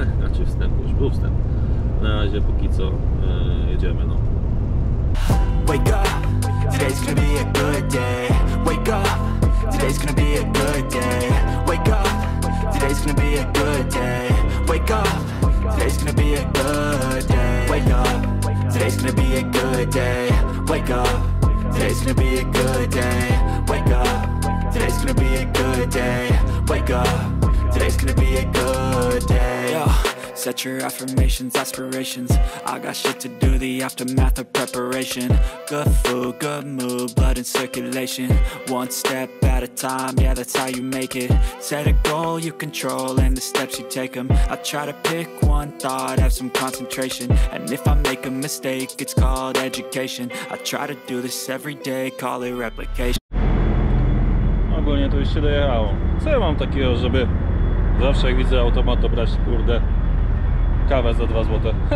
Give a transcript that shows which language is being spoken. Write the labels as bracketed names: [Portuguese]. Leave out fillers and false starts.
[Polish] Znaczy wstępu, już był wstęp. Na razie póki co jedziemy, no. [English] Wake up, today's gonna be a good day. Wake up, today's gonna be a good day. Wake up, today's gonna be a good day. Wake up, today's gonna be a good day. gonna be a good day. Wake up. Today's gonna be a good day. Wake up. Today's gonna be a good day. Wake up. Today's gonna be a good day. Yo. Set your affirmations, aspirations. I got shit to do, the aftermath of preparation. Good food, good mood, blood in circulation. One step at a time, yeah, that's how you make it. Set a goal you control and the steps you take them. I try to pick one thought, have some concentration. And if I make a mistake, it's called education. I try to do this every day, call it replication. [Polish] Ogólnie to już się dojechało. Co ja mam takiego, żeby zawsze jak widzę automat, to brać kurde kawę za 2 złote.